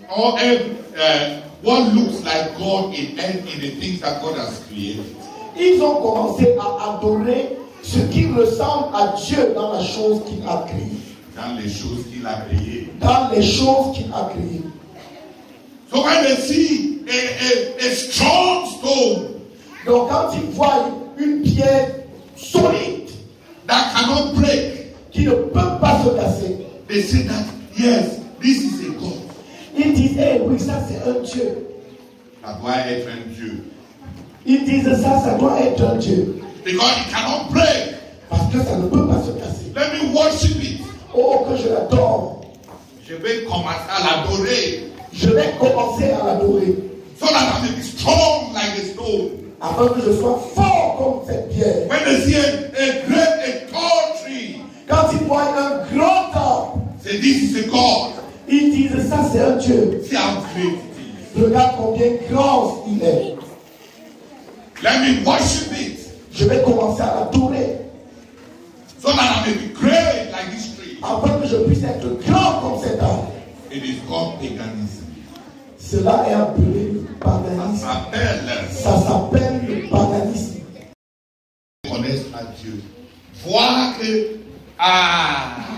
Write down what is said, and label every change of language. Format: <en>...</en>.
<en>Or what looks like God in the things that God has created.</en> <fr>Ils ont commencé à adorer ce qui ressemble à Dieu dans la chose qu'il a créée. Dans les choses qu'il a créées. Dans les choses qu'il a créées.</fr> <en>So when they see a strong stone.</en> <fr>Donc quand ils voient une pierre solide</fr> <en>that cannot break,</en> <fr>qui ne peut pas se casser,</fr> <en>they say that yes, this is a God.</en> <fr>Ils disent, oui, ça c'est un Dieu. Ça doit être un Dieu. Ils disent ça doit être un Dieu.</fr> <en>Because it cannot break.</en> <fr>Parce que ça ne peut pas se casser.</fr> <en>Let me worship it.</en> <fr>Oh, que je l'adore. Je vais commencer à l'adorer. Je vais commencer à l'adorer.</fr> <en>So that I may be strong like a stone.</en> <fr>Afin que je sois fort comme cette pierre.</fr> <en>When they see a tall tree.</en> <fr>Quand ils voient un grand arbre.</fr> <en>Say, this is a God.</en> <fr>Ils disent ça c'est un Dieu.</fr> <en>See how great it is.</en> <fr>Regarde combien grand il est.</fr> <en>Let me worship it.</en> <fr>Je vais commencer à l'adorer.</fr> <en>So that I may be great like this tree.</en> <fr>Afin que je puisse être grand comme cet arbre.</fr> <en>It is called paganism.</en> <fr>Cela est appelé le paganisme. Ça s'appelle le paganisme. Ils connaissent pas Dieu. Voir que. Ah!</fr>